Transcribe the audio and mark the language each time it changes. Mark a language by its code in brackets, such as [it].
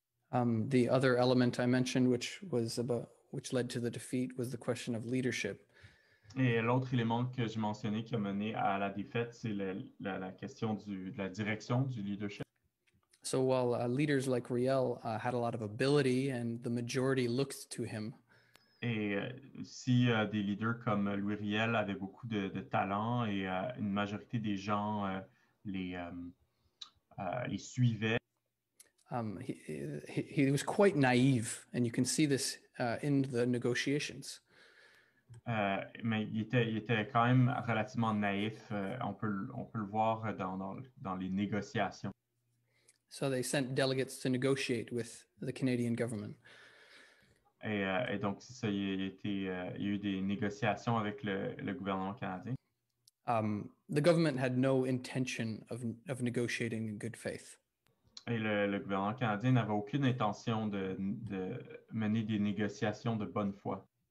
[en] The other element I mentioned, which led to the defeat, was the question of leadership. [fr] Et l'autre élément que j'ai mentionné qui a mené à la défaite, c'est la question de la direction du leadership. [en] So while leaders like Riel had a lot of ability and the majority looked to him. [fr] Et si des leaders comme Louis Riel avaient beaucoup de talent et une majorité des gens les suivaient. [en] He was quite naive, and you can see this in the negotiations. [fr] Mais il était quand même relativement naïf. On peut le voir dans les négociations. [en] So they sent delegates to negotiate with the Canadian government. [fr] Et donc c'est ça, il y a eu des négociations avec le gouvernement canadien. [en] The government had no intention of negotiating in good faith. [fr] Et le gouvernement canadien n'avait aucune intention de mener des négociations de bonne foi.